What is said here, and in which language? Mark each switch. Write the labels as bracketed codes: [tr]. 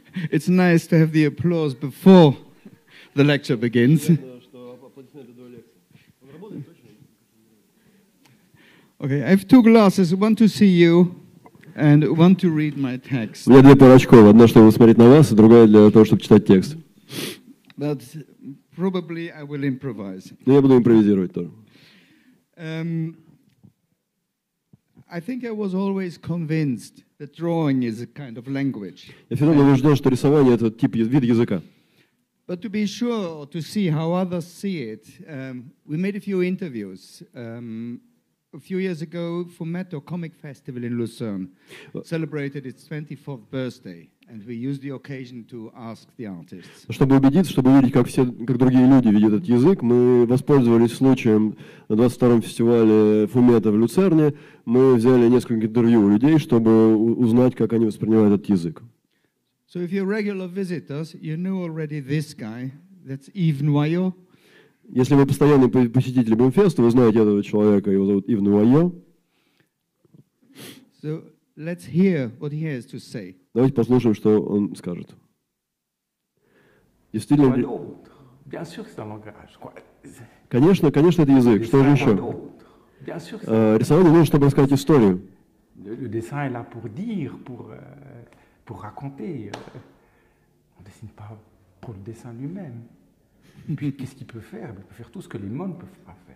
[en] It's nice to have the applause before the lecture begins. Okay, I have two glasses, one to see you and one to read my text. [ru] У меня две пары очков, одна, чтобы смотреть на вас, и другая для того, чтобы читать текст. [en] But probably I will improvise. [ru] Но я буду импровизировать тоже. [en] I think I was always convinced that drawing is a kind of language. [ru] Я всегда был убежден, что рисование это тип вид языка. [en] But to be sure to see how others see it, we made a few interviews a few years ago for Metto Comic Festival in Lucerne, celebrated its 24th birthday, and we used the occasion to ask the artists. [ru] Чтобы убедиться, чтобы увидеть, как все, как другие люди видят этот язык, мы воспользовались случаем на 22-м фестивале Фумета в Люцерне. Мы взяли несколько интервью у людей, чтобы узнать, как они воспринимают этот язык. [en] So if you're regular visitors, you know already this guy, that's Yves Noyot. [ru] Если вы постоянный посетитель Бумфеста, вы знаете этого человека, его зовут Yves Noyot. [en] So let's hear what he has to say. [ru] Давайте послушаем, что он скажет. Действительно... [fr] Noyot. Bien sûr, c'est un langage. [ru] Конечно, конечно, это язык. Что же еще? Рисование нужно, чтобы рассказать историю. [fr] Le dessin est là pour dire, pour raconter, on ne dessine pas pour le dessin lui-même. Et puis, qu'est-ce qu'il peut faire? Il peut faire tout ce que les mots ne peuvent pas faire.